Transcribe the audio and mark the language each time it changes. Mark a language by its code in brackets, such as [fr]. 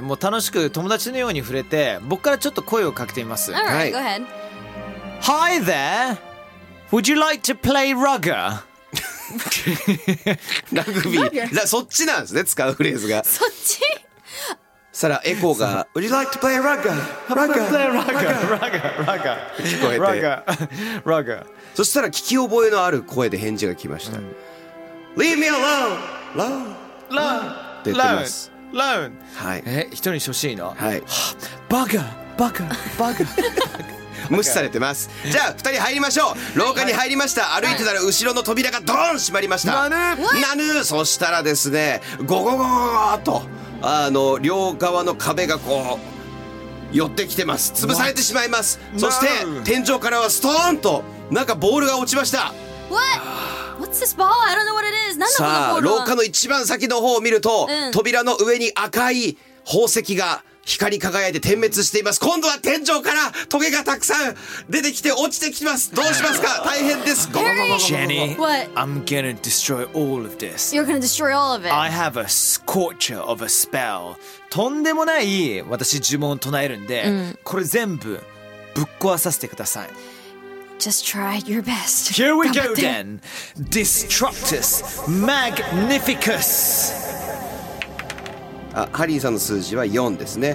[ja] もう楽しく友達のように触れて、僕からちょっと声をかけてみます。 [en] All right, go ahead. Hi there. Would you like to play rugger? [ja] ラグビー。そっちなんですね、使うフレーズが。そっち？さらエコーが [en] Would you like to play rugger? Rugger? Play rugger? [ja] 聞こえて。 [en] Rugger? Rugger? [ja] そしたら聞き覚えのある声で返事が来ました。 [en] うん、Leave me alone! Lone! Lone! [ja] って言ってます。Lone! はい。え、一人にしてほしいの？はい。バカバカバカ無視されてます。じゃあ、二人入りましょう。廊下に入りました。歩いてたら後ろの扉がドーン閉まりました。ナヌーナヌー。そしたらですね、ゴゴゴゴゴーと、あの、両側の壁がこう、寄ってきてます。潰されてしまいます。そして、天井からはストーンと、なんかボールが落ちました。 [en] What's this ball? I don't know what it is. [ja] さあ、廊下の一番先の方を見ると、扉の上に赤い宝石が光り輝いて点滅しています。今度は天井からトゲがたくさん出てきて落ちてきます。どうしますか？大変です。 [en] Jenny, I'm gonna destroy all of this. You're gonna destroy all of it. I have a scorcher of a spell. [ja] とんでもない私呪文を唱えるんで、これ全部ぶっ壊させてください。 [en] Just try your best. Here we go then. Destructus Magnificus. [ja] あ、ハリーさんの数字は4ですね。